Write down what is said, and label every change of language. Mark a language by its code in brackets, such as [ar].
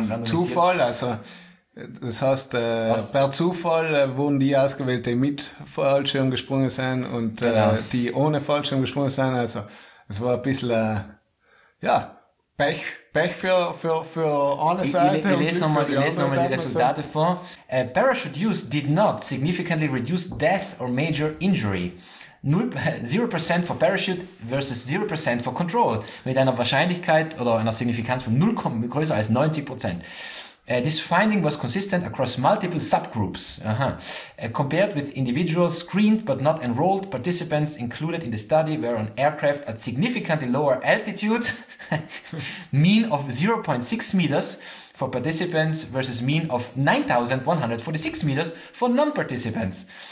[de] Zufall, also das heißt, per Zufall wurden die ausgewählt, die mit Fallschirm gesprungen sind und genau. Die ohne Fallschirm gesprungen sind, also es war ein bisschen, Pech für eine Seite. Ich lese nochmal die Resultate vor. [en] Parachute use did not significantly reduce death or major injury. 0% for parachute versus 0% for control. [de] Mit einer Wahrscheinlichkeit oder einer Signifikanz von 0, größer als 90%. [en] This finding was consistent across multiple subgroups. Compared with individuals screened but not enrolled, participants included in the study were on aircraft at significantly lower altitude, mean of 0.6 meters for participants versus mean of 9,146 meters for non-participants.